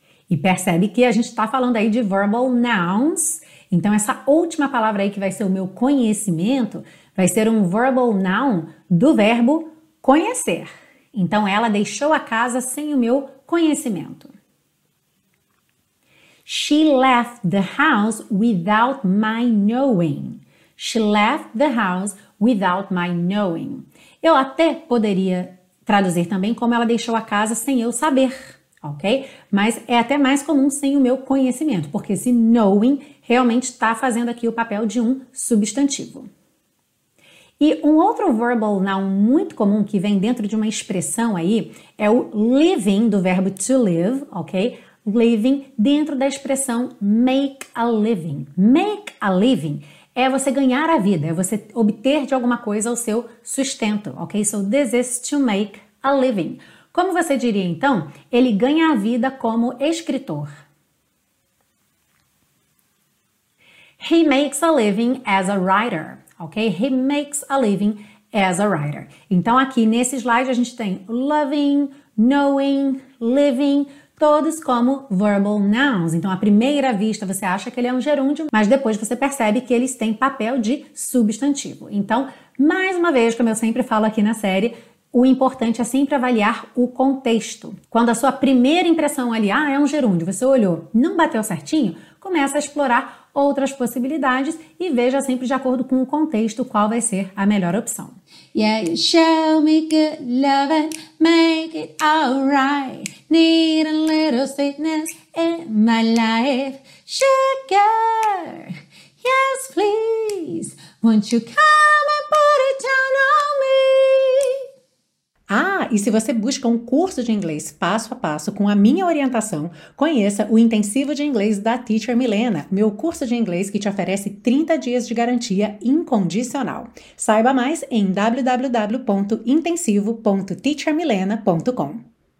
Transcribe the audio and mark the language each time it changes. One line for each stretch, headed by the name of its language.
Portuguese: E percebe que a gente está falando aí de verbal nouns. Então essa última palavra aí que vai ser o meu conhecimento vai ser um verbal noun do verbo conhecer. Então ela deixou a casa sem o meu conhecimento.
English: She left the house without my knowing. She left the house without my knowing.
Portuguese: Eu até poderia traduzir também como ela deixou a casa sem eu saber, ok? Mas é até mais comum sem o meu conhecimento, porque esse knowing realmente está fazendo aqui o papel de um substantivo. E um outro verbal noun muito comum que vem dentro de uma expressão aí é o living do verbo to live, ok?
English: Living
Portuguese: dentro da expressão
English: make a living. Make a living
Portuguese: é você ganhar a vida, é você obter de alguma coisa o seu sustento, ok?
English: So this is to make a living.
Portuguese: Como você diria então? Ele ganha a vida como escritor.
English: He makes a living as a writer, ok? He makes a living as a writer.
Portuguese: Então aqui nesse slide a gente tem loving, knowing, living, todos como verbal nouns. Então, à primeira vista, você acha que ele é um gerúndio, mas depois você percebe que eles têm papel de substantivo. Então, mais uma vez, como eu sempre falo aqui na série, o importante é sempre avaliar o contexto. Quando a sua primeira impressão ali, ah, é um gerúndio, você olhou, não bateu certinho, começa a explorar outras possibilidades e veja sempre de acordo com o contexto qual vai ser a melhor opção.
English: Yeah, you show me good loving, make it all right. Need a little sweetness in my life. Sugar, yes please, won't you come and put it down on me?
Portuguese: Ah, e se você busca um curso de inglês passo a passo com a minha orientação, conheça o Intensivo de Inglês da Teacher Milena, meu curso de inglês que te oferece 30 dias de garantia incondicional. Saiba mais em www.intensivo.teachermilena.com.